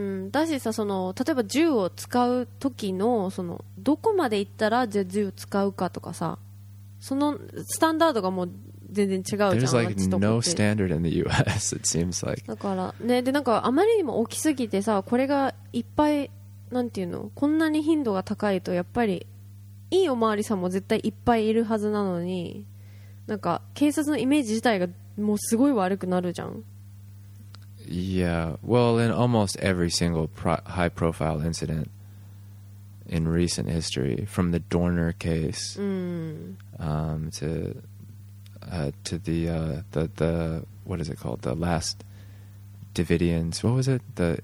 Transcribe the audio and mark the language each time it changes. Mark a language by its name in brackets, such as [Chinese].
[Japanese] だしさ、その例えば銃を使う時の、そのどこまで行ったらじゃあ銃を使うかとかさ、そのスタンダードがもう全然違うじゃん。 [English] There's like no standard in the US, it seems like. [Japanese] だからね、でなんかあまりにも大きすぎてさ、これがいっぱい、なんていうの、こんなに頻度が高いと、やっぱりいいおまわりさんも絶対いっぱいいるはずなのに、なんか警察のイメージ自体がもうすごい悪くなるじゃん。 [English] Yeah, well, in almost every single high-profile incident in recent history, from the Dorner case to the what is it called? The last Davidians. What was it?